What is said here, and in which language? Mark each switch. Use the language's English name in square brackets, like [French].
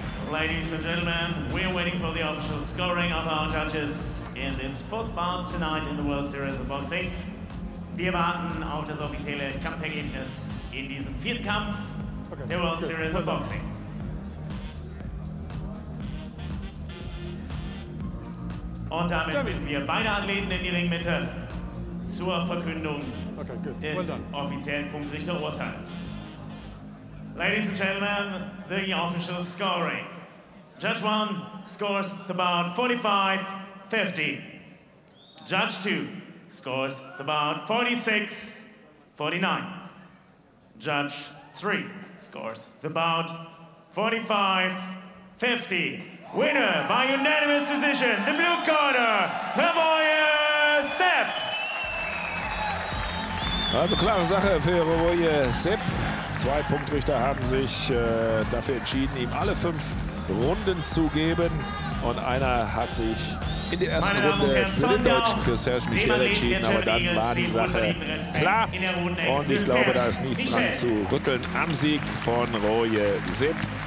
[English] Ladies and gentlemen, we're waiting for the official scoring of our judges in this fourth bout tonight in the World Series of Boxing. [German] Wir warten auf das offizielle Kampfergebnis in diesem Viertkampf der World Series of Boxing. Und damit bitten wir beide Athleten in die Ringmitte zur Verkündung des offiziellen Punktrichterurteils. [English] Ladies and gentlemen, the official scoring. Judge 1 scores the bout 45-50. Judge 2 scores the bout 46-49. Judge 3 scores the bout 45-50. Winner by unanimous decision, the blue corner, Revoje Sepp. [German] Also klare Sache für Revoje Sepp. Zwei Punktrichter haben sich dafür entschieden, ihm alle fünf Runden zu geben. Und einer hat sich in der ersten Runde für den Deutschen, für Serge Michel entschieden. Aber dann war die Sache klar. Und ich glaube, da ist nichts dran zu rütteln am Sieg von Roje Sepp.